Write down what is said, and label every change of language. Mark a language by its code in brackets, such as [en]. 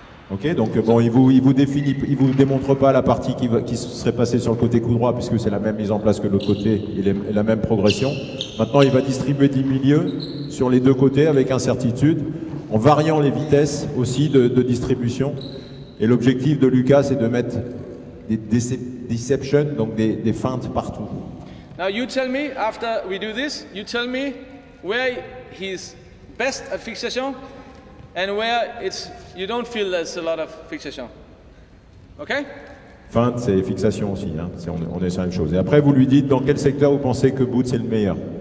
[fr] OK, donc bon, il vous démontre pas la partie qui serait passée sur le côté coup droit puisque c'est la même mise en place que l'autre côté et la même progression. Maintenant, il va distribuer du milieu sur les deux côtés avec incertitude, en variant les vitesses aussi de distribution. Et l'objectif de Lucas, c'est de mettre des deceptions, donc des feintes partout. [en] Now you tell me, after we do this, you tell me where his best fixation and where it's you don't feel there's a lot of fixation. Okay? [fr] Feinte, c'est fixation aussi, hein. On est sur la même chose. Et après, vous lui dites dans quel secteur vous pensez que Boots est le meilleur.